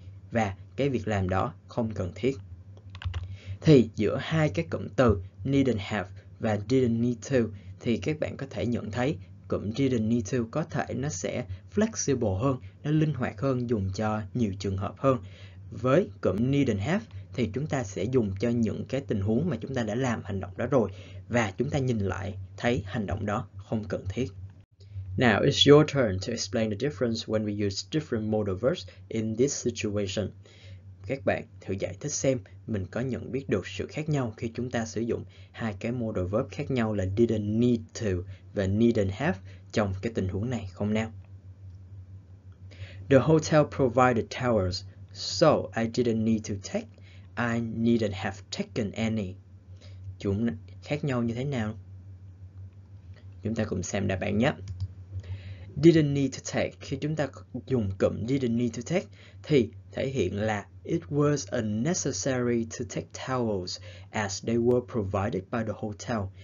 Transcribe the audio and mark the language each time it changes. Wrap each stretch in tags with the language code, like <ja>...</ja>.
<vi>Và cái việc làm đó không cần thiết. Thì giữa hai cái cụm từ needn't have và didn't need to, thì các bạn có thể nhận thấy cụm didn't need to có thể nó sẽ flexible hơn, nó linh hoạt hơn, dùng cho nhiều trường hợp hơn. Với cụm needn't have thì chúng ta sẽ dùng cho những cái tình huống mà chúng ta đã làm hành động đó rồi và chúng ta nhìn lại thấy hành động đó không cần thiết.</vi> <en>Now it's your turn to explain the difference when we use different modal verbs in this situation.</en> <vi>Các bạn thử giải thích xem mình có nhận biết được sự khác nhau khi chúng ta sử dụng hai cái modal verb khác nhau là didn't need to và needn't have trong cái tình huống này không nào?</vi> <en>The hotel provided towels, so I didn't need to take. I needn't have taken any.</en> <vi>Chúng khác nhau như thế nào? Chúng ta cùng xem đáp án nhé.</vi> <en>Didn't need to take.</en> <vi>Khi chúng ta dùng cụm</vi> <en>didn't need to take</en> <vi>thì thể hiện là</vi> <en>it was unnecessary to take towels as they were provided by the hotel.</en>